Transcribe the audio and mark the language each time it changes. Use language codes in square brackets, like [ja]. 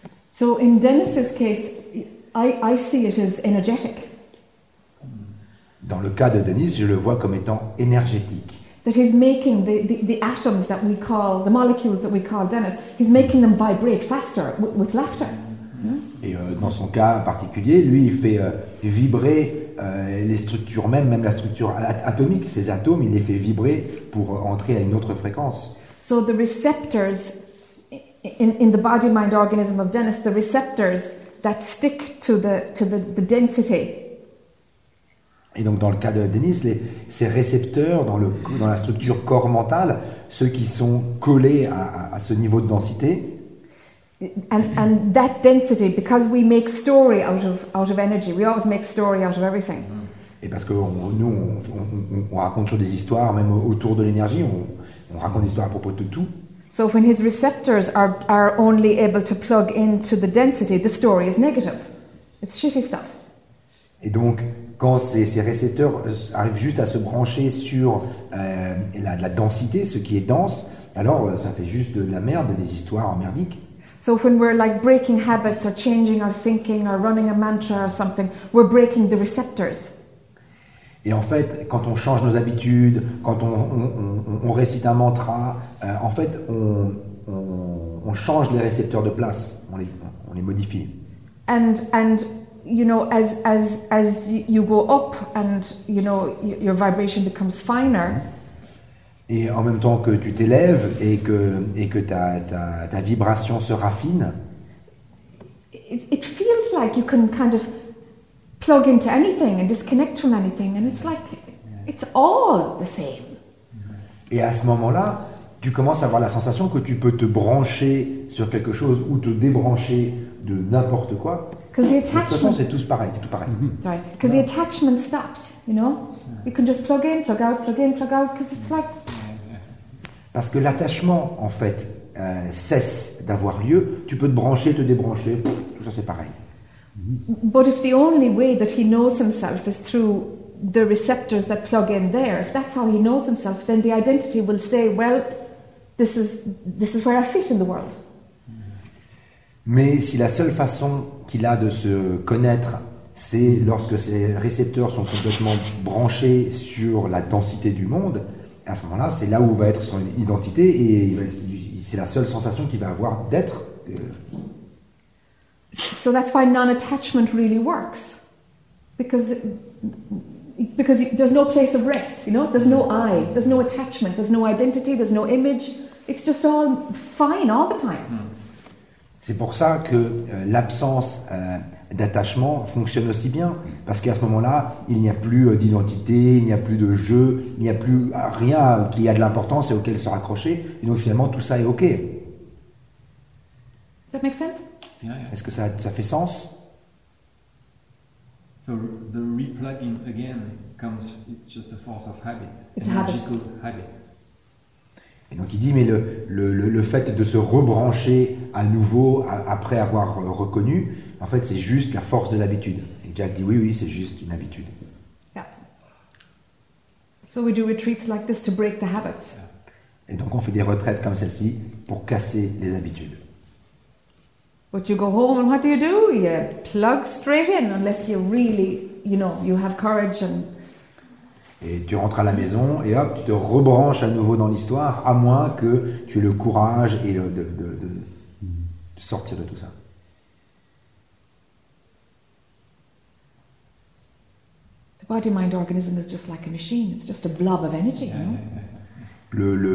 [en] So in Dennis's case, I see it as energetic. [fr] Dans le cas de Denise, je le vois comme étant énergétique. [en] That he's making the atoms that we call, the molecules that we call Dennis, he's making them vibrate faster with laughter. [fr] Et dans son cas particulier, lui, il fait vibrer les structures même la structure atomique, ces atomes, il les fait vibrer pour entrer à une autre fréquence. [en] So the receptors in the body mind organism of Dennis, the receptors that stick to the density. [fr] Et donc dans le cas de Dennis, ces récepteurs dans la structure corps mental, ceux qui sont collés à ce niveau de densité. [en] And that density, because we make story out of energy, we always make story out of everything. [fr] Et parce que nous on raconte toujours des histoires même autour de l'énergie, on raconte des histoires à propos de tout. [en] So when his receptors are only able to plug into the density, the story is negative. It's shitty stuff. [fr] Et donc, quand ces récepteurs arrivent juste à se brancher sur la densité, ce qui est dense, alors ça fait juste de la merde, des histoires merdiques. [en] So when we're like breaking habits or changing our thinking or running a mantra or something, we're breaking the receptors. [fr] Et en fait, quand on change nos habitudes, quand on récite un mantra, en fait, on change les récepteurs de place, on les modifie. [en] And you know, as you go up, and you know, your vibration becomes finer. [fr] Et en même temps que tu t'élèves et que ta vibration se raffine. [en] it feels like you can kind of plug into anything and disconnect from anything, and it's like it's all the same. [fr] Et à ce moment-là, tu commences à avoir la sensation que tu peux te brancher sur quelque chose ou te débrancher de n'importe quoi. [en] Because the attachment. [fr] De toute façon, c'est tout pareil. Mm-hmm. [en] Sorry. Because the attachment stops, you know. You can just plug in, plug out, because it's like. [fr] Parce que l'attachement, en fait, cesse d'avoir lieu. Tu peux te brancher, te débrancher. Tout ça, c'est pareil. Mm-hmm. [en] But if the only way that he knows himself is through the receptors that plug in there, if that's how he knows himself, then the identity will say, well, this is where I fit in the world. [fr] Mais si la seule façon qu'il a de se connaître, c'est lorsque ses récepteurs sont complètement branchés sur la densité du monde, à ce moment-là, c'est là où va être son identité et c'est la seule sensation qu'il va avoir d'être. [en] So that's why non-attachment really works. Because there's no place of rest, you know? There's no I, there's no attachment, there's no identity, there's no image. It's just all fine all the time. [fr] C'est pour ça que l'absence d'attachement fonctionne aussi bien. Parce qu'à ce moment-là, il n'y a plus d'identité, il n'y a plus de jeu, il n'y a plus rien qui a de l'importance et auquel se raccrocher. Et donc finalement, tout ça est OK. [en] Does that make sense? Yeah. [fr] Est-ce que ça fait sens? [en] So the replugging again comes, it's just a force of habit. It's a magical habit. [fr] Et donc il dit, mais le fait de se rebrancher à nouveau après avoir reconnu, en fait, c'est juste la force de l'habitude. Et Jack dit, oui, c'est juste une habitude. [en] Yeah. So we do retreats like this to break the habits. [fr] Et donc on fait des retraites comme celle-ci pour casser les habitudes. [en] But you go home and what do? You plug straight in unless you really, you know, you have courage and... [fr] Et tu rentres à la maison et hop, tu te rebranches à nouveau dans l'histoire, à moins que tu aies le courage et de sortir de tout ça. [en] The body-mind organism is just like a machine. It's just a blob of energy, you know?